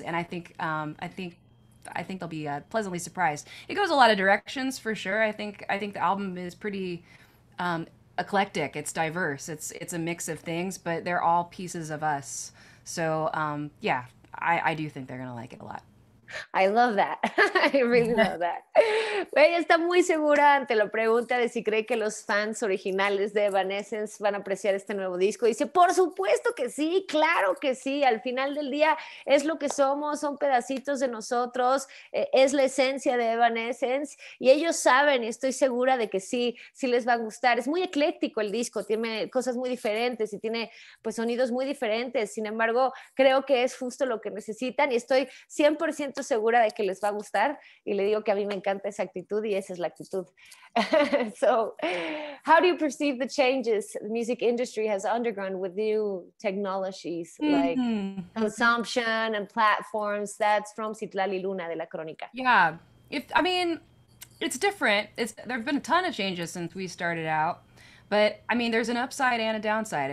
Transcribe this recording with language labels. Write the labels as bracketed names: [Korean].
[English] And I think they'll be pleasantly surprised. It goes a lot of directions for sure. I think the album is pretty eclectic. It's diverse. It's a mix of things, but they're all pieces of us. So I do think they're gonna like it a lot. I love that. I really love that. [Spanish] Ella está muy segura ante la pregunta de si cree que los fans originales de Evanescence van a apreciar este nuevo disco. Dice, por supuesto que sí, claro que sí. Al final del día es lo que somos, son pedacitos de nosotros, es la esencia de Evanescence. Y ellos saben, y estoy segura de que sí, sí les va a gustar. Es muy ecléctico el disco, tiene cosas muy diferentes y tiene pues, sonidos muy diferentes. Sin embargo, creo que es justo lo que necesitan y estoy 100% segura de que les va a gustar y le digo que a mí me encanta esa actitud y esa es la actitud. [English] So, how do you perceive the changes the music industry has undergone with new technologies like consumption and platforms? That's from Citlali Luna de La Crónica. Yeah, it's different. There have been a ton of changes since we started out, but I mean, there's an upside and a downside.